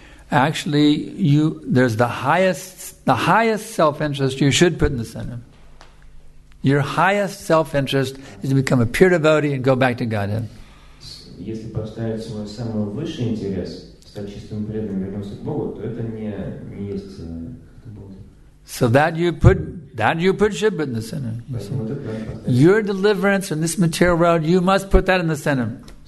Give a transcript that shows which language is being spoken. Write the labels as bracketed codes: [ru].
[en] Actually, there's the highest self-interest you should put in the center. Your highest self-interest is to become a pure devotee and go back to Godhead. [ru] Если поставить свой самый высший интерес, стать чистым преданным, вернуться к Богу, то это не есть [en] So that you put should put in the center. Your deliverance in this material world, you must put that in the center.